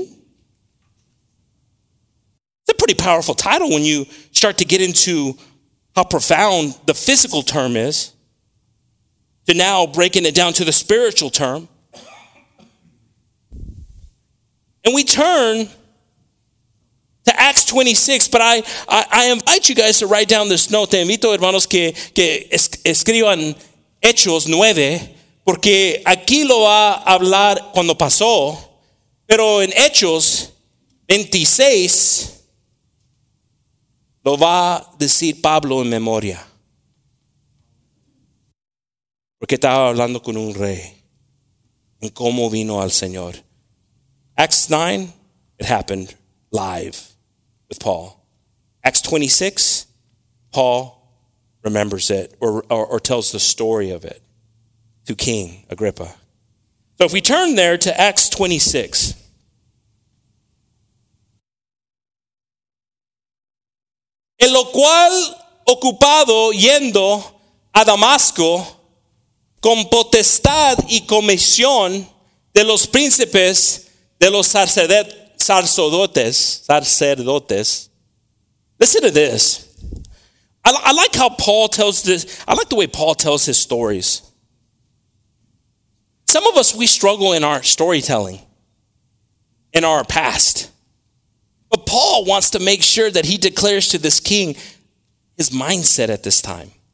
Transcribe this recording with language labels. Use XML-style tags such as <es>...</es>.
<en>It's a pretty powerful title when you start to get into how profound the physical term is to now breaking it down to the spiritual term. And we turn to Acts 26, but I invite you guys to write down this note.</en> <es>Te invito, hermanos, que escriban Hechos 9. Porque aquí lo va a hablar cuando pasó, pero en Hechos 26 lo va a decir Pablo en memoria. Porque estaba hablando con un rey en cómo vino al Señor.</es> <en>Acts 9, it happened live with Paul. Acts 26, Paul remembers it or tells the story of it. To King Agrippa. So if we turn there to Acts 26.</en> <es>En lo cual ocupado yendo a Damasco con potestad y comisión de los príncipes de los sacerdotes.</es> <en>Listen to this. I like how Paul tells this. I like the way Paul tells his stories. Some of us, we struggle in our storytelling, in our past. But Paul wants to make sure that he declares to this king his mindset at this time.</en>